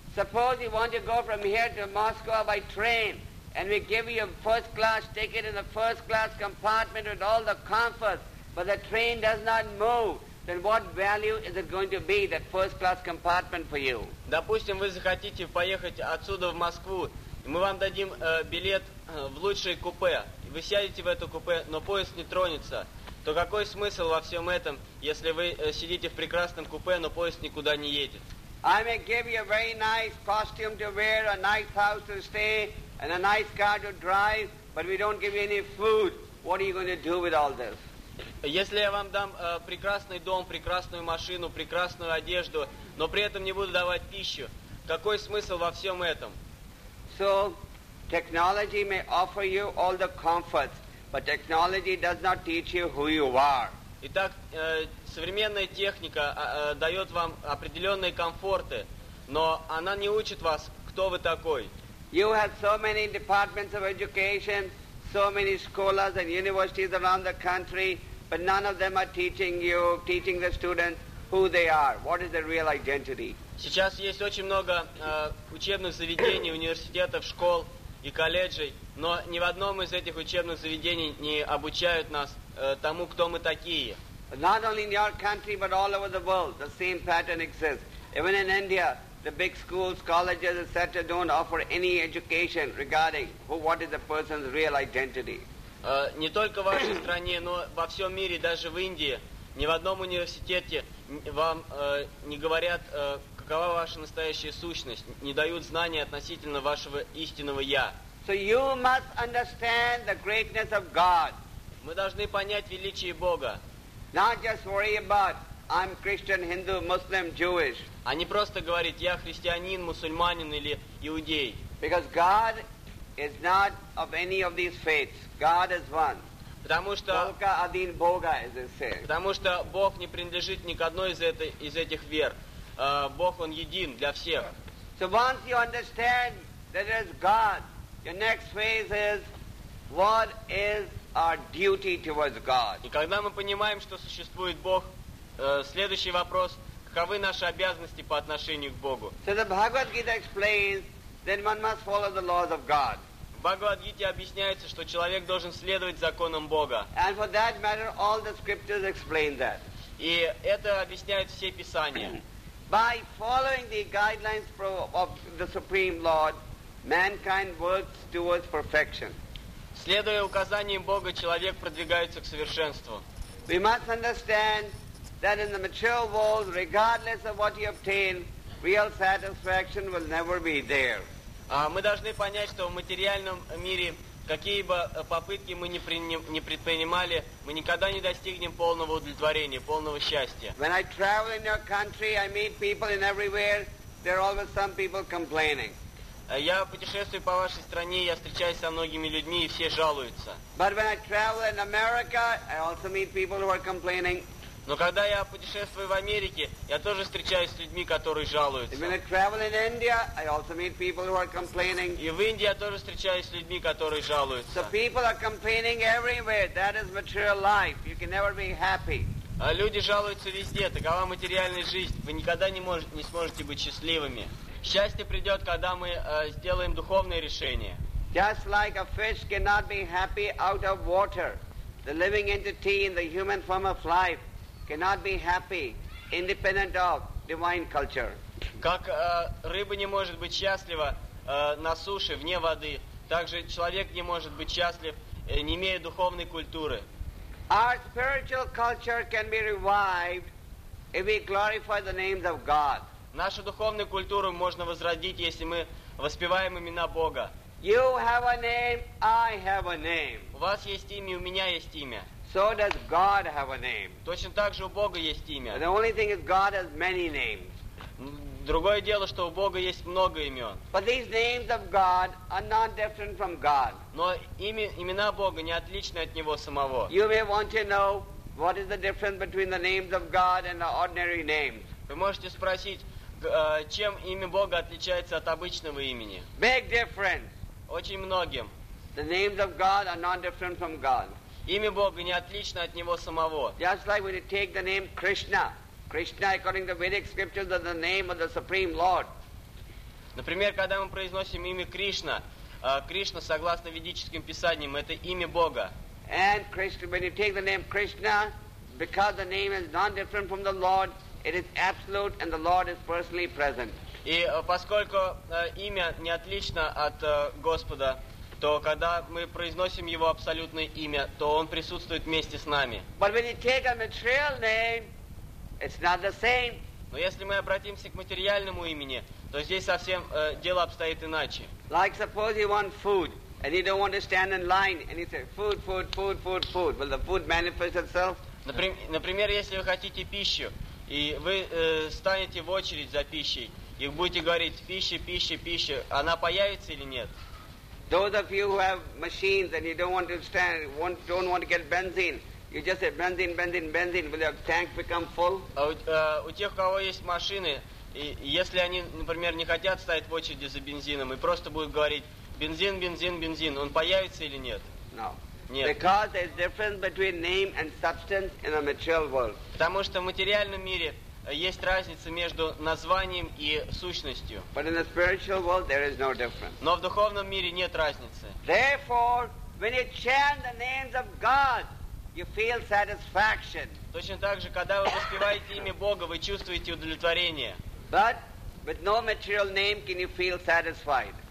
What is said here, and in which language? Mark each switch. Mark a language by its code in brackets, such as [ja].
[en] Suppose you want to go from here to Moscow by train, and we give you a first-class ticket in the first-class compartment with all the comforts, but the train does not move. Then what value is it going to be, that first-class compartment for you? [ru] Допустим, вы захотите поехать отсюда в Москву, и мы вам дадим билет в лучшее купе. Вы сядете в это купе, но поезд не тронется. То какой смысл во всем этом, если вы сидите в прекрасном купе, но поезд никуда не едет? [en] I may give you a very nice costume to wear, a nice house to stay, and a nice car to drive, but we don't give you any food. What are you going to do with all this? [ru] Если я вам дам прекрасный дом, прекрасную машину, прекрасную одежду, но при этом не буду давать пищу, какой смысл во всем этом? [en] So, technology may offer you all the comforts, but technology does not teach you who you are. [ru] Итак, современная техника дает вам определенные комфорты, но она не учит вас, кто вы такой. [en] You have so many departments of education, so many schools and universities around the country, but none of them are teaching you, teaching the students who they are. What is their real identity? [ru] Сейчас есть очень много учебных заведений, университетов, школ и колледжей, но ни в одном из этих учебных заведений не обучают нас тому, кто мы такие. [en] Not only in your country, but all over the world, the same pattern exists. Even in India, the big schools, colleges, etc., don't offer any education regarding who, what is the person's real identity. [ru] Не только в вашей стране, но во всем мире, даже в Индии, ни в одном университете вам не говорят, какова ваша настоящая сущность, не дают знания относительно вашего истинного я. [en] So you must understand the greatness of God. [ru] Мы должны понять величие Бога. [en] Not just worry about I'm Christian, Hindu, Muslim, Jewish. [ru] А не просто говорить я христианин, мусульманин или иудей. [en] Because God is not of any of these faiths. God is one. [ru] Только один Бога, [en] as they say. [ru] Потому что Бог не принадлежит ни к одной из этих вер. Бог он един для всех. [en] So once you understand that there is God, your next phase is what is our duty towards God. [ru] И когда мы понимаем, что существует Бог, следующий вопрос: каковы наши обязанности по отношению к Богу? [en] So the Bhagavad Gita explains that one must follow the laws of God. [ru] В Бхагавад Гите объясняется, что человек должен следовать законам Бога. [en] And for that matter, all the scriptures explain that. [ru] И это объясняют все писания. [en] By following the guidelines of the Supreme Lord, mankind works towards perfection. [ru] Следуя указаниям Бога, человек продвигается к совершенству. [en] We must understand that in the material world, regardless of what you obtain, real satisfaction will never be there. [ru] Мы должны понять, что в материальном мире, какие бы попытки мы не предпринимали, мы никогда не достигнем полного удовлетворения, полного счастья. [en] When I travel in your country, I meet people in everywhere, there are always some people complaining. [ru] Я путешествую по вашей стране, я встречаюсь со многими людьми, и все жалуются. [en] But when I travel in America, I also meet people who are complaining. [ru] Но когда я путешествую в Америке, я тоже встречаюсь с людьми, которые жалуются. [en] When I travel in India, I also meet people who are complaining. [ru] И в Индии я тоже встречаюсь с людьми, которые жалуются. [en] So people are complaining everywhere. That is material life. You can never be happy. [ru] Люди жалуются везде. Такова материальная жизнь. Вы никогда не сможете быть счастливыми. Счастье придет, когда мы сделаем духовное решение. [en] Just like a fish cannot be happy out of water, the living entity in the human form of life cannot be happy independent of divine culture. [ru] Как рыба не может быть счастлива на суше, вне воды, так же человек не может быть счастлив, не имея духовной культуры. [en] Our spiritual culture can be revived if we glorify the names of God. [ru] Нашу духовную культуру можно возродить, если мы воспеваем имена Бога. [en] You have a name, I have a name. [ru] У вас есть имя, у меня есть имя. [en] So does God have a name. [ru] Точно так же у Бога есть имя. [en] The only thing is God has many names. [ru] Другое дело, что у Бога есть много имен. [en] But these names of God are not different from God. [ru] Но имена Бога не отличны от Него самого. [en] You may want to know what is the difference between the names of God and the ordinary names. [ru] Вы можете спросить, чем имя Бога отличается от обычного имени? [en] Big difference. [ru] Очень многим. [en] The names of God are not different from God. [ru] Имя Бога не отлично от Него самого. [en] Just like when you take the name Krishna. Krishna, according to the Vedic scriptures, is the name of the Supreme Lord. [ru] Например, когда мы произносим имя Кришна, Кришна, согласно ведическим писаниям, это имя Бога. [en] And Krishna, when you take the name Krishna, because the name is not different from the Lord, it is absolute and the Lord is personally present. [ru] И поскольку имя не отлично от Господа, то когда мы произносим Его абсолютное имя, то Он присутствует вместе с нами. [en] But when you take a material name, it's not the same. [ru] Но если мы обратимся к материальному имени, то здесь совсем дело обстоит иначе. [en] Like suppose you want food, and you don't want to stand in line, and you say, food, food, food, food, food. Will the food manifest itself? [ru] Например, если вы хотите пищу, и вы станете в очередь за пищей, и будете говорить, пища, пища, пища, она появится или нет? [en] Those of you who have machines and you don't want to stand, don't want to get benzene, you just say, benzene, benzene, benzene, will your tank become full? [ru] У тех, у кого есть машины, если они, например, не хотят стоять в очереди за бензином, и просто будут говорить, бензин, бензин, бензин, он появится или нет? [en] No. [ru] Нет. [en] Because there's difference between name and substance in a material world. [ru] Потому что в материальном мире есть разница между названием и сущностью. [en] But in the spiritual world there is no difference. [ru] Но в духовном мире нет разницы. [en] Therefore, when you chant the names of God, you feel satisfaction. [ru] Точно так же, когда вы воспеваете имя Бога, вы чувствуете удовлетворение. [en] But with no material name can you feel satisfied.